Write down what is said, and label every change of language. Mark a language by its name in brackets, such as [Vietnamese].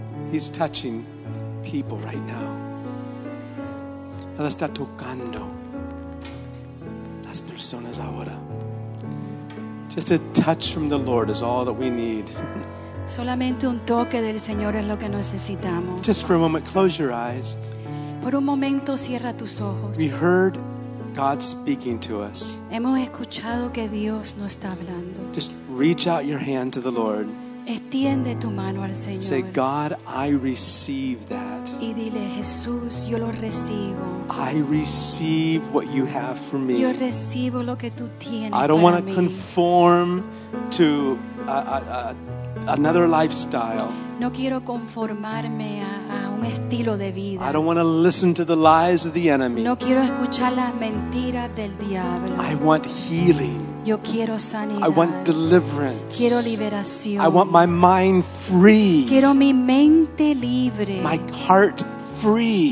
[English] He's touching people right now. [Spanish] Él está tocando las personas ahora. [English] Just a touch from the Lord is all that we need. [Spanish] Solamente un toque del Señor es lo que necesitamos. [English] Just for a moment, close your eyes. [Spanish] Por un momento, cierra tus ojos. [English] We heard God speaking to us. [Spanish] Hemos escuchado que Dios nos está hablando. [English] Just reach out your hand to the Lord. [Spanish] Extiende tu mano al Señor. [English] Say, God, I receive that. [Spanish] Y dile, Jesús, yo lo recibo. [English] I receive what you have for me. [Spanish] Yo recibo lo que tú tienes. [English] I don't want to conform to another lifestyle. [Spanish] No quiero conformarme a un estilo de vida. [English] I don't want to listen to the lies of the enemy. [Spanish] No quiero escuchar las mentiras del diablo. [English] I want healing. [Spanish] Yo quiero sanidad. [English] I want deliverance. [Spanish] Quiero liberación. [English] I want my mind free. [Spanish] Quiero mi mente libre. [English] My heart free.